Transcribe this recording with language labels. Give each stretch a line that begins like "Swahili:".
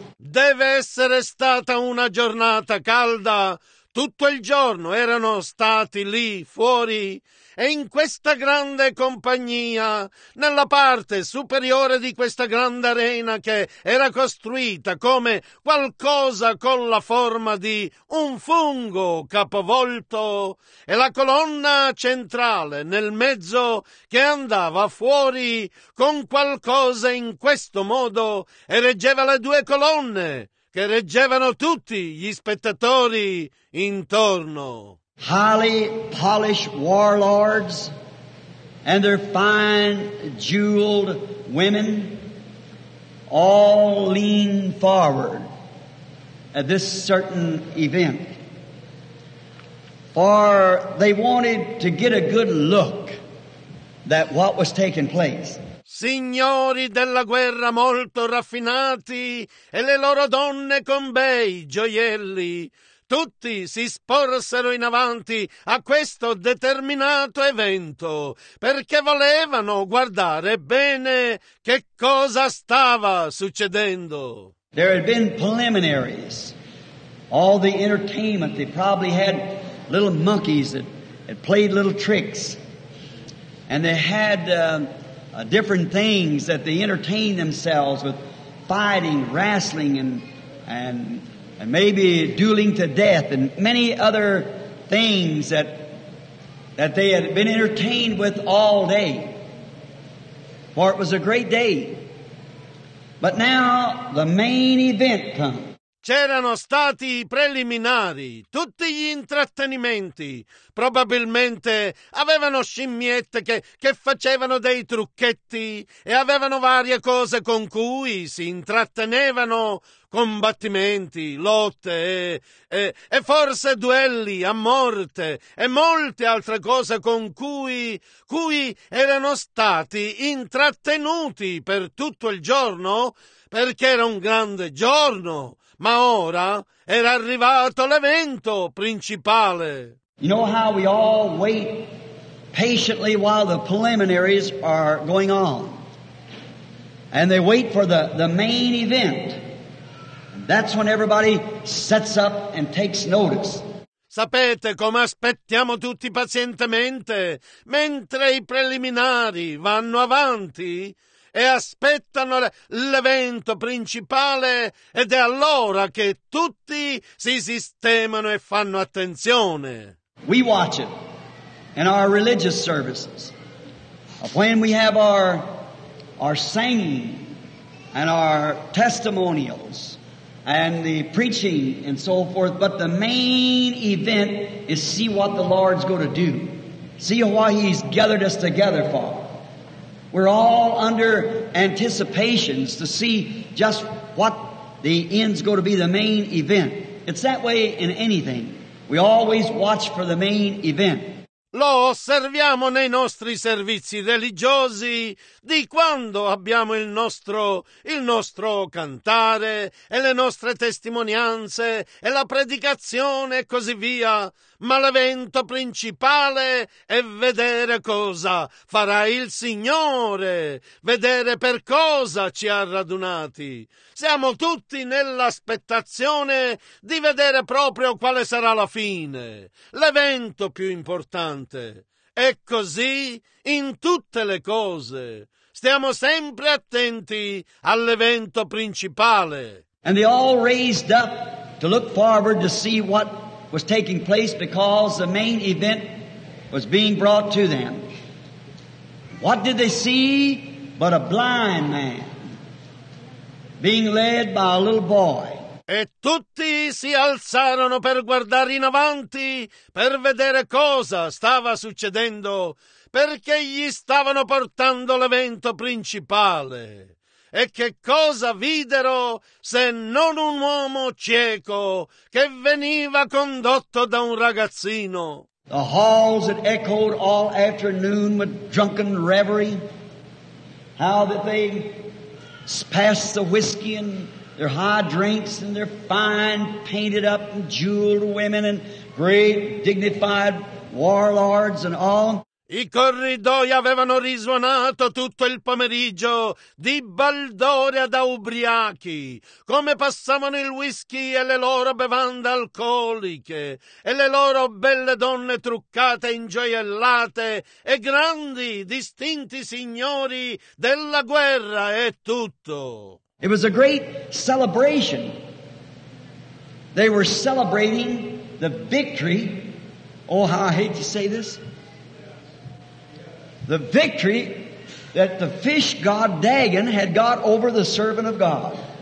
Italian: Deve essere stata una giornata calda. Tutto il giorno erano stati lì fuori e in questa grande compagnia, nella parte superiore di questa grande arena che era costruita come qualcosa con la forma di un fungo capovolto e la colonna centrale nel mezzo che andava fuori con qualcosa in questo modo e reggeva le due colonne che reggevano tutti gli spettatori intorno.
English: Highly polished warlords and their fine jeweled women all lean forward at this certain event. For they wanted to get a good look at what was taking place.
Italian: Signori della guerra molto raffinati e le loro donne con bei gioielli, tutti si sporsero in avanti a questo determinato evento perché volevano guardare bene che cosa stava succedendo.
English: There had been preliminaries, all the entertainment. They probably had little monkeys that had played little tricks, and they had different things that they entertained themselves with, fighting, wrestling, and maybe dueling to death, and many other things that they had been entertained with all day. For it was a great day. But now the main event comes.
Italian: C'erano stati i preliminari, tutti gli intrattenimenti. Probabilmente avevano scimmiette che facevano dei trucchetti e avevano varie cose con cui si intrattenevano, combattimenti, lotte e forse duelli a morte e molte altre cose con cui erano stati intrattenuti per tutto il giorno perché era un grande giorno. Ma ora era arrivato l'evento principale.
English: You know how we all wait patiently while the preliminaries are going on. And they wait for the main event. That's when everybody sets up and takes notice.
Italian: Sapete come aspettiamo tutti pazientemente mentre i preliminari vanno avanti? E aspettano l'evento principale ed è allora che tutti si sistemano e fanno attenzione.
English: We watch it in our religious services. When we have our singing and our testimonials and the preaching and so forth, but the main event is see what the Lord's going to do. See why he's gathered us together for. We're all under anticipations to see just what the end's going to be, the main event. It's that way in anything. We always watch for the main event.
Italian: Lo osserviamo nei nostri servizi religiosi, di quando abbiamo il nostro cantare e le nostre testimonianze e la predicazione e così via. Ma l'evento principale è vedere cosa farà il Signore, vedere per cosa ci ha radunati. Siamo tutti nell'aspettazione di vedere proprio quale sarà la fine, l'evento più importante. È così in tutte le cose. Stiamo sempre attenti all'evento principale.
English: And they all raised up to look forward to see what was taking place because the main event was being brought to them. What did they see but a blind man being led by a little boy?
Italian: E tutti si alzarono per guardare in avanti, per vedere cosa stava succedendo, perché gli stavano portando l'evento principale. E che cosa videro se non un uomo cieco che veniva condotto da un ragazzino?
English: The halls that echoed all afternoon with drunken reverie, how that they passed the whiskey and their high drinks and their fine painted up and jeweled women and great dignified warlords and all.
Italian: I corridoi avevano risuonato tutto il pomeriggio di baldoria da ubriachi, come passavano il whisky e le loro bevande alcoliche, e le loro belle donne truccate, ingioiellate, e grandi, distinti signori della guerra e tutto.
English: It was a great celebration. They were celebrating the victory. Oh, how I hate to say this. The victory that the fish god Dagon had got over the servant of God.